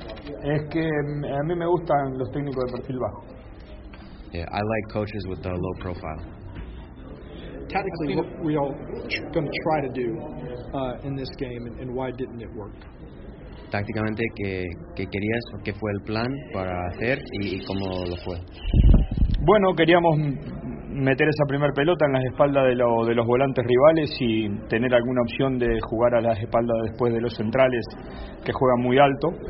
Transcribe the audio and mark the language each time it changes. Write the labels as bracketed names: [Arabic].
[Spanish] Es que a mí me gustan los técnicos de perfil bajo. [English] Yeah, I like coaches with a low profile. Tactically, what were y'all going to try to do in this game, and why didn't it work? [Spanish] Tácticamente, ¿qué querías o qué fue el plan para hacer y cómo lo fue? Bueno, queríamos meter esa primera pelota en las espaldas de los volantes rivales y tener alguna opción de jugar a las espaldas después de los centrales, que juegan muy alto.